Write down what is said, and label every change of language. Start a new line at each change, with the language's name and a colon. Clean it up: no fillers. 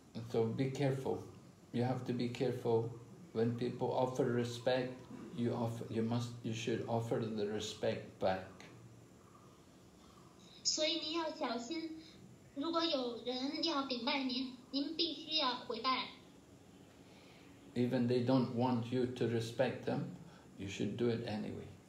English: So be careful. You have to be careful. When people offer respect, you should offer the respect back.
Chinese: 所以你要小心, 如果有人要顶拜您, 您必须要回拜。
English: Even they don't want you to respect them, you should do it anyway.